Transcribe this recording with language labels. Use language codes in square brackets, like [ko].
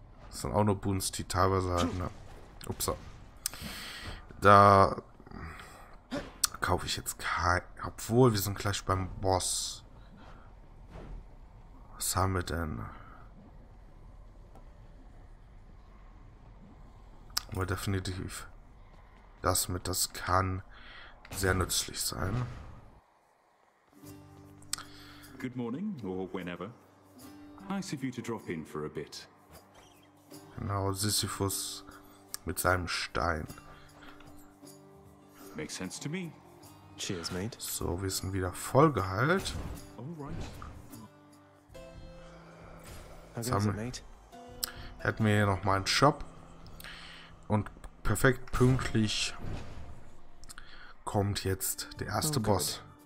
[de] Das sind auch nur Boons, die teilweise halt, ne? Upsa. Da kaufe ich jetzt kein. Obwohl, wir sind gleich beim Boss. Was haben wir denn? Aber definitiv. Das mit, das kann sehr nützlich sein. [en] Good morning, or whenever. Nice of you to drop in for a bit. [de] Genau, Sisyphus mit seinem Stein. [en] Makes sense to me. Cheers, mate. [de] So, wir sind wieder voll geheilt. [en] Alright. [de] Jetzt haben wir, hätten wir hier nochmal einen Shop. Und perfekt pünktlich kommt jetzt der erste Boss.